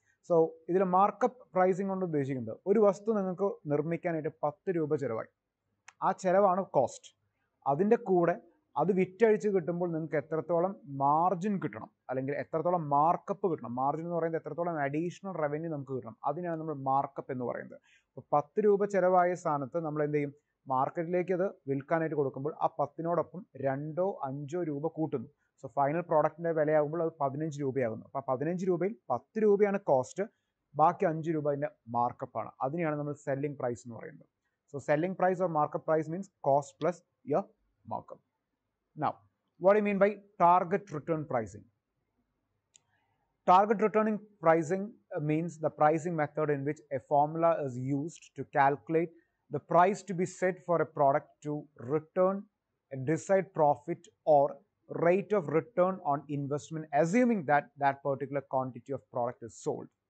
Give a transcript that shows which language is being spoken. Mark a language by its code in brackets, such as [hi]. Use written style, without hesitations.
[ml] So idile markup pricing kondu udheshikkunnathu oru vastu ningalku nirmikkanayittu 10 rupaya cheravai aa cheravaanu cost adinte koode adu vittalichu kittumbol ningalku etrathoalam margin kittanam allengil etrathoalam markup kittanam margin nu parayunnathu etrathoalam additional revenue namukku kittanam adinaanu nammal markup ennu parayunnathu appo 10 rupaya cheravaya saanathu nammal endeyum മാർക്കറ്റിലേക്ക് അത് വിൽക്കാനായിട്ട് കൊടുക്കുമ്പോൾ ആ 10-നോടൊപ്പം 2-5 രൂപ കൂട്ടുന്നു. So final പ്രോഡക്റ്റിൻ്റെ വിലയാകുമ്പോൾ അത് 15 രൂപയാകുന്നു. അപ്പോൾ 15 രൂപയിൽ 10 രൂപയാണ് കോസ്റ്റ്, ബാക്കി 5 രൂപ അതിൻ്റെ മാർക്കപ്പാണ്. അതിനെയാണ് നമ്മൾ സെല്ലിംഗ് പ്രൈസ് എന്ന് പറയുന്നത്. [en] So selling price or markup price means cost plus your markup. Now what I mean by target return pricing. Target returning pricing means the pricing method in which a formula is used to calculate the price to be set for a product to return a desired profit or rate of return on investment assuming that particular quantity of product is sold.